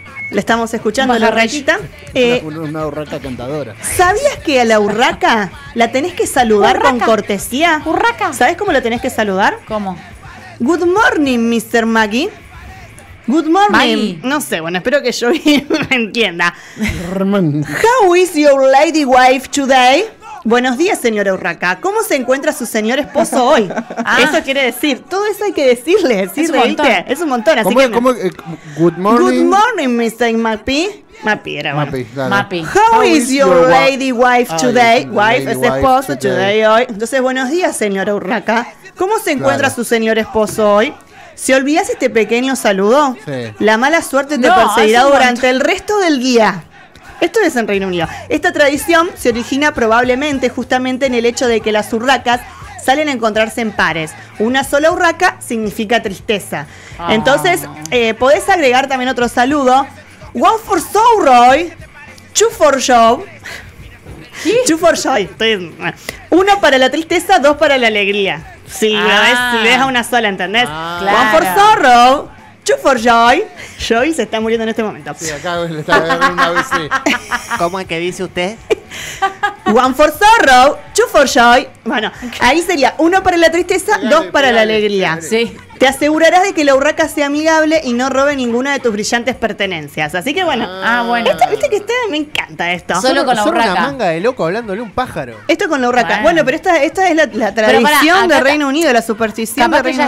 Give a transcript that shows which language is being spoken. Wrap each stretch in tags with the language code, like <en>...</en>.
<es>Le estamos escuchando a la urraquita. Una urraca cantadora. ¿Sabías que a la urraca la tenés que saludar con cortesía? ¿Urraca? ¿Sabés cómo la tenés que saludar? ¿Cómo?</es> <en>Good morning, Mr. Maggie. Good morning. Maggie.</en> <es>No sé, bueno, espero que yo me entienda.</es> <en>How is your lady wife today?</en> <es>Buenos días, señora urraca. ¿Cómo se encuentra su señor esposo hoy? Eso quiere decir, todo eso hay que decirle, ¿sí? Es un montón. Así</es> <en>good morning. Good morning, Mr. Mappy.</en> <es>Mappy era bueno.</es> <en>Mappy. How is your lady wife today?</en> <es>Wife es esposo, today hoy. Entonces, buenos días, señora urraca. ¿Cómo se encuentra su señor esposo hoy? Si olvidas este pequeño saludo, la mala suerte te perseguirá durante el resto del día. Esto es en Reino Unido. Esta tradición se origina probablemente justamente en el hecho de que las urracas salen a encontrarse en pares. Una sola urraca significa tristeza. Entonces, podés agregar también otro saludo.</es> <en>One for sorrow, two for joy.</en> <es>¿Qué?</es> <en>Two for joy.</en> <es>Uno para la tristeza, dos para la alegría. Sí, si le das a una sola, ¿entendés? Claro.</es> <en>One for sorrow, two for joy.</en> <es>Joy se está muriendo en este momento. Sí, acá le está agarrando una bici. ¿Cómo es que dice usted?</es> <en>One for sorrow, two for joy.</en> <es>Bueno, ahí sería uno para la tristeza, dos para la alegría. Sí. Te asegurarás de que la urraca sea amigable y no robe ninguna de tus brillantes pertenencias. Así que bueno. Bueno. Viste que usted me encanta esto. Solo con la urraca. Solo una manga de loco hablándole a un pájaro. Esto con la urraca. Bueno, pero esta es la tradición del Reino Unido, la superstición del Reino Unido.</es>